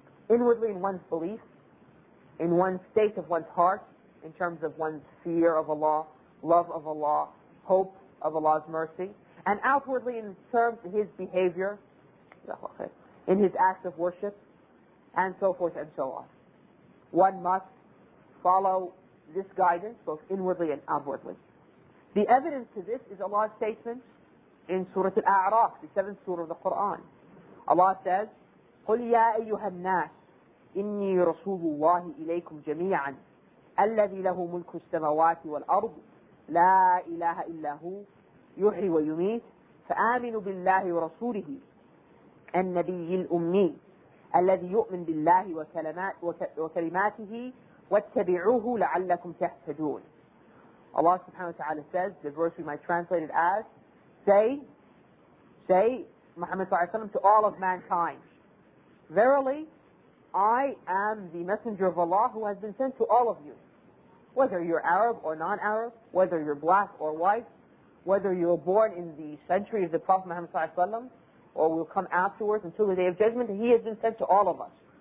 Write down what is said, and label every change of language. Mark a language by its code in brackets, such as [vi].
[en] Inwardly in one's belief, in one's state of one's heart, in terms of one's fear of Allah, love of Allah, hope of Allah's mercy, and outwardly in terms of his behavior, in his acts of worship, and so forth and so on. One must follow this guidance both inwardly and outwardly. The evidence to this is Allah's statement in Surah Al-A'raf, the 7th Surah of the Qur'an. Allah says, قُلْ يَا أَيُّهَا النَّاسِ [ar] إني رسول الله إليكم جميعا الذي له ملك السماوات والأرض لا إله إلا هو يحيي ويميت فآمنوا بالله ورسوله النبي الأمي الذي يؤمن بالله وكلماته واتبعوه لعلكم تهتدون. [en] Allah subhanahu wa ta'ala says, the verse we might translate it as, say, Muhammad sallallahu alayhi wa sallam, to all of mankind, verily, I am the messenger of Allah who has been sent to all of you, whether you're Arab or non-Arab, whether you're black or white, whether you're born in the century of the Prophet Muhammad sallallahu alayhi wa sallam, or will come afterwards until the day of judgment, he has been sent to all of us.